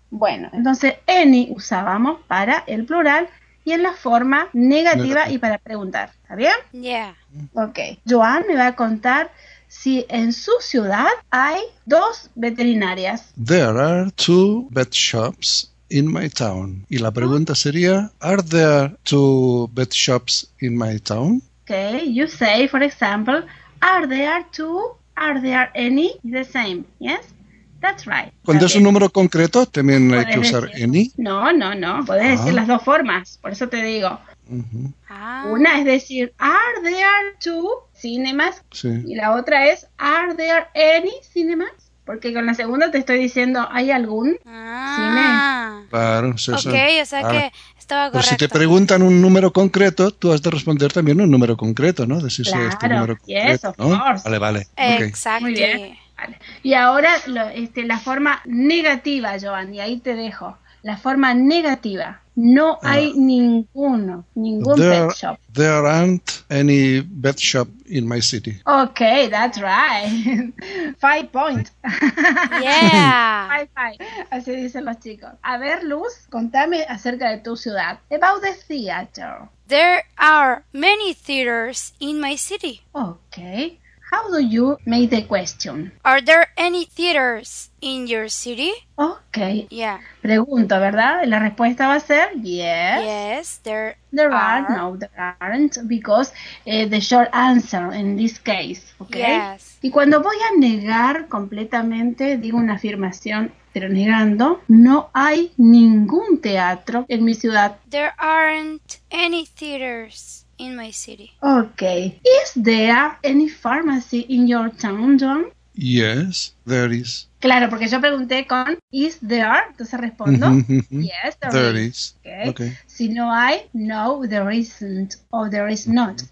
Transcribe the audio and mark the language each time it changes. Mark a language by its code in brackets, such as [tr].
[es] Bueno, entonces any usábamos para el plural y en la forma negativa y para preguntar, ¿está bien? [en] Yeah. [es] Ok, Joan me va a contar si en su ciudad hay dos veterinarias. [en] There are two vet shops in my town. [es] Y la pregunta sería, [en] are there two vet shops in my town? Okay, you say, for example, are there two, are there any, the same, yes? That's right. [es] Cuando es un número concreto, también hay que usar any. No, puedes decir las dos formas, por eso te digo. Una es decir, [en] are there two cinemas, [es] sí. Y la otra es, [en] are there any cinemas? [es] Porque con la segunda te estoy diciendo, ¿hay algún cine? Claro, sí, sí. Ok, o sea que estaba correcto. Pero si te preguntan un número concreto, tú has de responder también un número concreto, ¿no? Decir claro, este número concreto, [en] yes, of [es] ¿no? [en] course. [es] Vale, vale. Exacto. [en] Okay. [es] Muy bien. Vale. Y ahora la forma negativa, Joan, y ahí te dejo. La forma negativa. No hay ningún [en] there, pet shop. There aren't any pet shop in my city. Okay, that's right. 5 points. Yeah. [es] Five. Así dicen los chicos. A ver, Luz, contame acerca de tu ciudad. [en] About the theater. There are many theaters in my city. Okay. How do you make the question? Are there any theaters in your city? Okay. Yeah. [es] Pregunto, ¿verdad? La respuesta va a ser yes. [en] Yes, there are. No, there aren't, because the short answer in this case, okay? Yes. [es] Y cuando voy a negar completamente, digo una afirmación, pero negando, no hay ningún teatro en mi ciudad. [en] There aren't any theaters in my city. Okay. Is there any pharmacy in your town, John? Yes, there is. [es] Claro, porque yo pregunté con is there, entonces respondo [en] yes, there is. Okay. [es] Si no hay, no, [en] there isn't, or there is not.